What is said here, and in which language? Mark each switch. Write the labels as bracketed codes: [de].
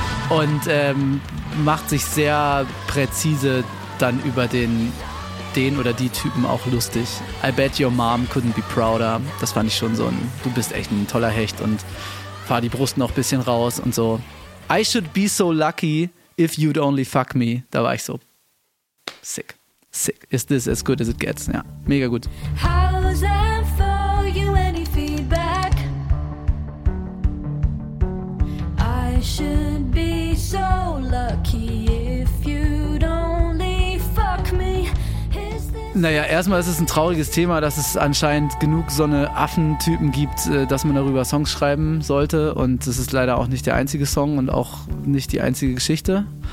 [de] und macht sich sehr präzise dann über den oder die Typen auch lustig. [en] I bet your mom couldn't be prouder. [de] Das fand ich schon so ein, du bist echt ein toller Hecht und fahr die Brust noch ein bisschen raus und so. [en] I should be so lucky if you'd only fuck me. [de] Da war ich so sick. [en] Sick. Is this as good as it gets? [de] Ja, mega gut. [en] How's that for you, any feedback? I should be so lucky if you'd only fuck me. Is this... [de] Naja, erstmal ist es ein trauriges Thema, dass es anscheinend genug so eine Affentypen gibt, dass man darüber Songs schreiben sollte. Und es ist leider auch nicht der einzige Song und auch nicht die einzige Geschichte.